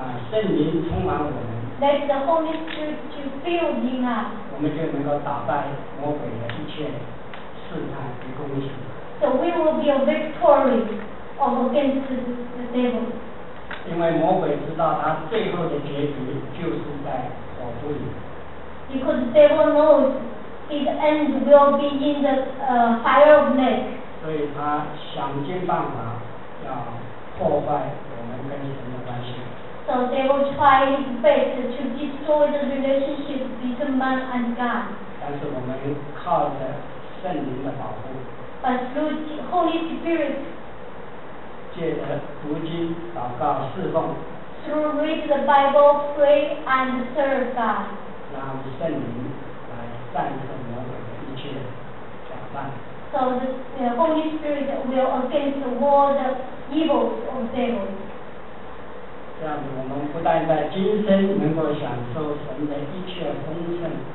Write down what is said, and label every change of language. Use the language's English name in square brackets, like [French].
[Chinese] 圣灵充满我们 [English] let the Holy Spirit to fill in us [Chinese] 我们就能够打败魔鬼的一切试探与攻击 [English] so we will be victorious against the devil [Chinese] 因为魔鬼知道他最后的结局就是在火堆里。 [English] Because the devil knows his end will be in the fire of lake. [Chinese] 所以他想尽办法要破坏我们跟神的关系。 [English] So they will try his best to destroy the relationship between man and God. [Chinese] 但是我们靠着圣灵的保护。 [English] But through the Holy Spirit. [Chinese] 借着读经、祷告、侍奉 [English] ，through read the Bible, pray and serve God， [Chinese] 让圣灵来战胜魔鬼的一切假扮。 [English] So the Holy Spirit will against all the evils of devil。 [Chinese] 这样子，我们不但在今生能够享受神的一切丰盛。